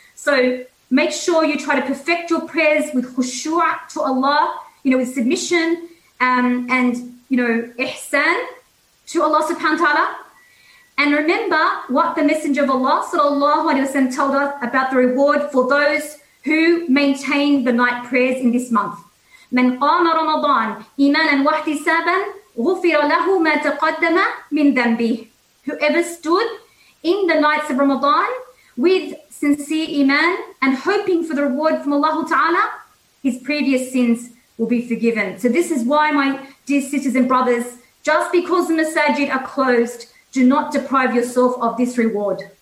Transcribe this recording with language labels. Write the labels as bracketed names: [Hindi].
[English] So make sure you try to perfect your prayers with khushu' to Allah, you know, with submission and, you know, ihsan to Allah Subhanahu wa Ta'ala. And remember what the Messenger of Allah sallallahu alaihi wasallam told us about the reward for those who maintain the night prayers in this month. [Arabic] من قام رمضان إيمانا واحتسابا غفر له ما تقدم من ذنبه. [English] Whoever stood in the nights of Ramadan with sincere iman and hoping for the reward from Allah Ta'ala, his previous sins will be forgiven. So this is why, my dear sisters and brothers, just because the masajid are closed, do not deprive yourself of this reward.